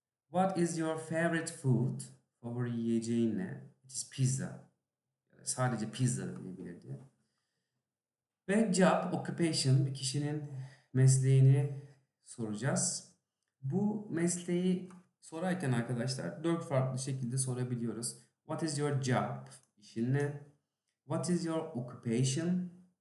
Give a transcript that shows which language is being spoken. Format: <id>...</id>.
<en>What is your favorite food?</en> <tr>Favori yiyeceğin ne?</tr> <en>It is pizza.</en> <tr>Sadece pizza diyebilirdi. Ve job, occupation, bir kişinin mesleğini soracağız. Bu mesleği sorarken arkadaşlar dört farklı şekilde sorabiliyoruz.</tr> <en>What is your job?</en> <tr>İşin ne?</tr> <en>What is your occupation?</en>